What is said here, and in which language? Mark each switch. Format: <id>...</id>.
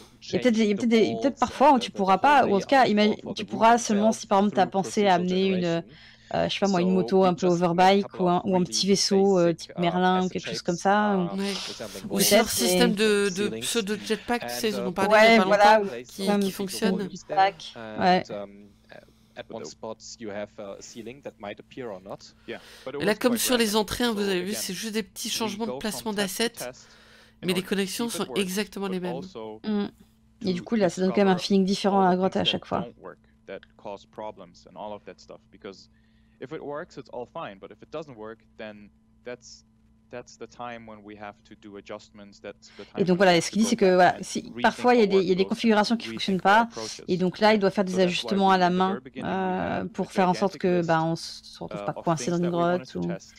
<fr>Peut-être parfois où tu ne pourras pas, ou en tout cas, tu pourras seulement si par exemple tu as pensé à amener une, je sais pas moi, une moto un peu overbike ou un petit vaisseau type Merlin ou quelque chose comme ça. Ouais. Ou c'est un système de pseudo jetpack, tu sais, dont on parlait il y a pas longtemps, qui fonctionne. Ouais.</fr> <en>At one spot, you have a ceiling that might appear or not.</en> <fr>Yeah, là, comme sur les entrées, hein, vous avez vu, c'est juste des petits changements de placement d'assets, mais les connexions sont exactement les mêmes. Et du coup, là, ça donne quand même un feeling différent à la grotte à chaque fois.</fr> <en>Because if it works, it's all fine, but if it doesn't work, then that's the time when we have to do adjustments. That's the time.</en> <fr>Et donc voilà, ce qu'il dit, c'est que voilà, si parfois il y a des configurations qui fonctionnent pas, et donc là il doit faire des ajustements à la main pour faire en sorte que on se retrouve pas coincé dans une grotte ou.</fr>